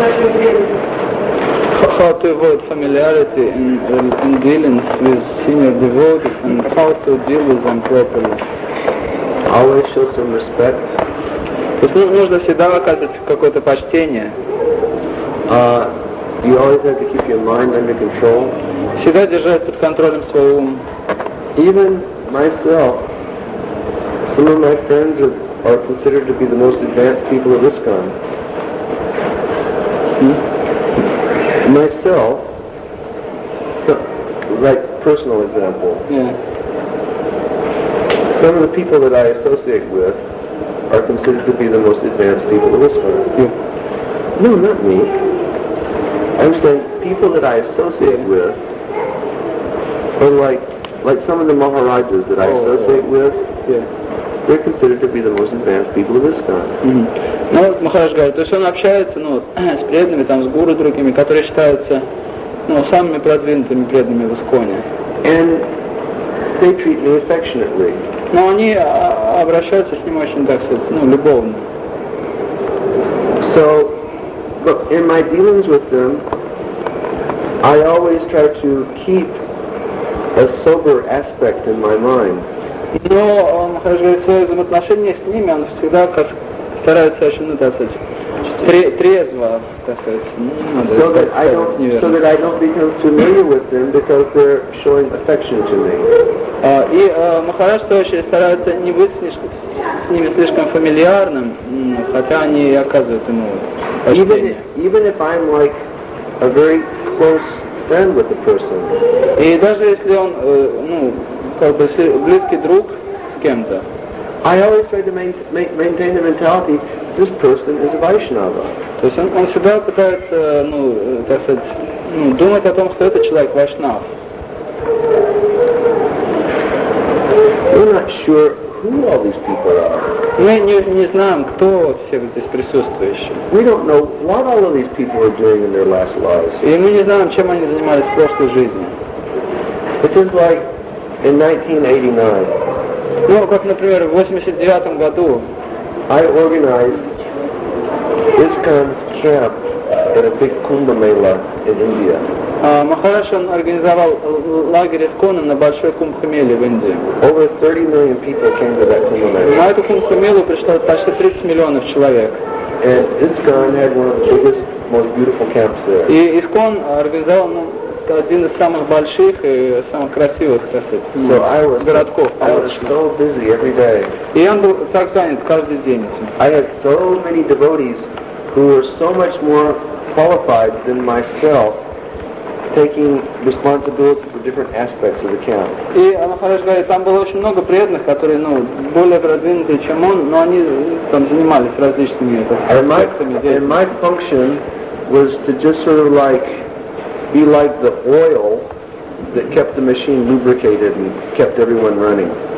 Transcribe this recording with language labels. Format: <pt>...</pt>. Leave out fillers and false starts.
<en>How to avoid familiarity in dealings with senior devotees and how to deal with them properly. Always show some respect.</en> <ru>То есть нужно всегда оказывать какое-то почтение.</ru> <en>You always have to keep your mind under control.</en> <ru>Всегда держать под контролем свой ум.</ru> <en>Even myself, some of my friends are considered to be the most advanced people of ISKCON. Myself, so, like personal example, yeah. Some of the people that I associate with are considered to be the most advanced people of ISKCON. Yeah. No, not me. I'm saying people that I associate with are like some of the Maharajas that I associate with. Yeah. They're considered to be the most advanced people of ISKCON. Mm-hmm.</en> <ru>Ну, вот Махарадж говорит, то есть он общается, ну, с преданными, там, с гуру другими, которые считаются, ну, самыми продвинутыми преданными в Исконе.</ru> <en>And they treat me affectionately.</en> <ru>Но они обращаются с ним очень, так сказать, ну, любовно.</ru> <en>So, look, in my dealings with them, I always try to keep a sober aspect in my mind.</en> <ru>Но Махарадж говорит, свое взаимоотношение с ними, он всегда стараются очень, ну, так сказать, трезво, так сказать, ну, надо,</ru> <en>so that I don't become familiar with them because they're showing affection to me.</en> <ru>Махарадж, в свою очередь, старается не быть с ними слишком фамильярным, хотя они и оказывают ему почтение.</ru> <en>Even if I'm like a very close friend with the person.</en> <ru>И даже если он, ну, как бы близкий друг с кем-то.</ru> <en>I always try to maintain the mentality this person is a Vaishnava.</en> <ru>То есть он всегда пытается, ну, так сказать, ну, думать о том, что этот человек Вайшнав.</ru> <en>We're not sure who all these people are.</en> <ru>Мы не знаем, кто все здесь присутствующие.</ru> <en>We don't know what all of these people were doing in their last lives.</en> <ru>И мы не знаем, чем они занимались в прошлой жизни.</ru> <en>It is like in 1989.</en> <ru>Ну, как, например, в 89 году.</ru> <en>I organized this kind of camp at a big Kumbh Mela in India.</en> <ru>Махараш организовал лагерь Исконом на большой Кумбхамеле в Индии.</ru> <en>Over 30 million people came to that Kumbh</en> <ru>Mela. На эту Кумбхамелу пришло почти 30 миллионов человек.</ru> <en>And ISKCON had one of the biggest, most beautiful camps there.</en> <ru>И ИСКОН организовал, ну, один из самых больших и самых красивых, так сказать, городков.</ru> <en>I was so busy every day.</en> <ru>И он был так занят каждый день этим.</ru> <en>I had so many devotees who were so much more qualified than myself. Taking responsibility for different aspects of the camp.</en> <ru>И Махарадж говорит, там было очень много преданных, которые, ну, более продвинутые, чем он, но они там занимались различными аспектами.</ru> <en>And my function was to just sort of like be like the oil that kept the machine lubricated and kept everyone running.</en>